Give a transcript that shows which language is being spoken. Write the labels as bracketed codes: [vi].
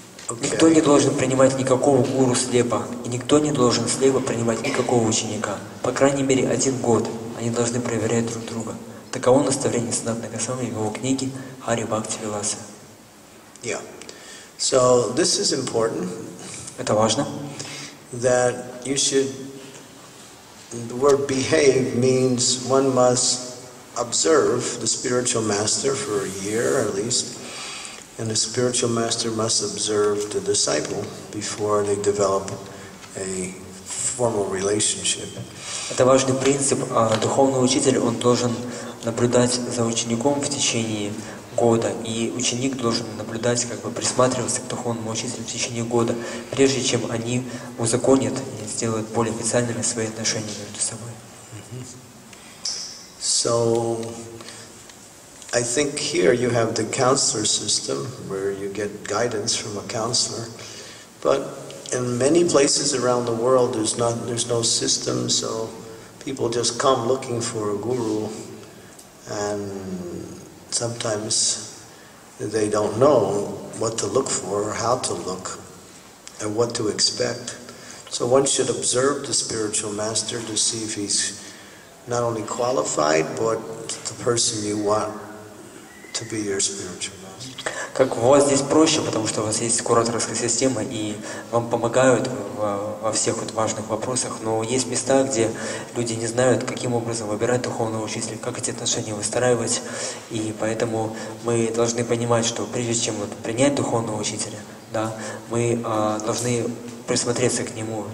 [en] Okay. [ru] Никто не должен принимать никакого гуру слепо, и никто не должен слепо принимать никакого ученика. По крайней мере, один год они должны проверять друг друга. Таково наставление Санатана Госвами в его книге «Хари Бхакти Виласа». [en] Yeah. So this is important. [ru] Это важно. [en] That you should, the word behave means one must observe the spiritual master for a year at least, and the spiritual master must observe the disciple before they develop a formal relationship. [ru] Это важный принцип. Духовный учитель, он должен наблюдать за учеником в течение года, и ученик должен наблюдать, как бы присматриваться к духовному учителю в течение года, прежде чем они узаконят и сделают более официальными свои отношения между собой. [en] So, I think here you have the counselor system, where you get guidance from a counselor, but in many places around the world there's no system, so people just come looking for a guru, and sometimes they don't know what to look for, how to look, and what to expect. So one should observe the spiritual master to see if he's not only qualified, but the person you want to be your spiritual master. [ru] Как у вас здесь проще, потому что у вас есть кураторская система, и вам помогают во всех вот важных вопросах, но есть места, где люди не знают, каким образом выбирать духовного учителя, как эти отношения выстраивать, и поэтому мы должны понимать, что прежде чем вот принять духовного учителя, да, мы должны присмотреться к нему.